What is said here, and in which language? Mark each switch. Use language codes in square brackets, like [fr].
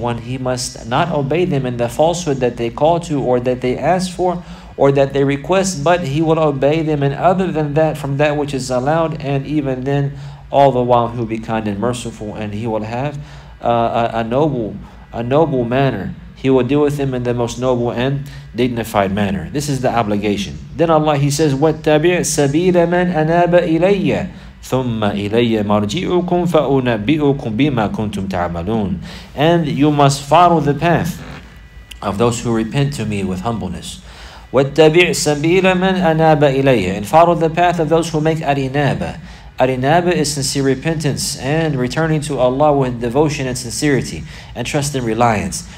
[en] One, he must not obey them in the falsehood that they call to or that they ask for or that they request, but he will obey them in other than that, from that which is allowed, and even then, all the while he'll be kind and merciful, and he will have a noble manner. He will deal with them in the most noble and dignified manner. This is the obligation. Then Allah, He says, [ar] وَاتَّبِعْ سَبِيلَ مَنْ أَنَابَ إِلَيَّ ثُمَّ إِلَيَّ مَرْجِئُكُمْ فَأُنَبِّئُكُمْ بِمَا كُنْتُمْ تَعْمَلُونَ. [en] And you must follow the path of those who repent to me with humbleness. [ar] وَاتَّبِعْ سَبِيلَ مَنْ أَنَابَ إِلَيَّ. [en] And follow the path of those who make arinaba. Arinaba is sincere repentance and returning to Allah with devotion and sincerity and trust and reliance.